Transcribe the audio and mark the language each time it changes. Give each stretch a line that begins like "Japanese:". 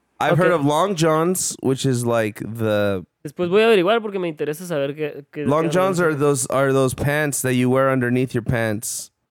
English: I've heard of Long John's, which is like the...
Spanish: Después voy a averiguar porque me interesa saber qué...
English: Long John's are those pants that you wear underneath your pants.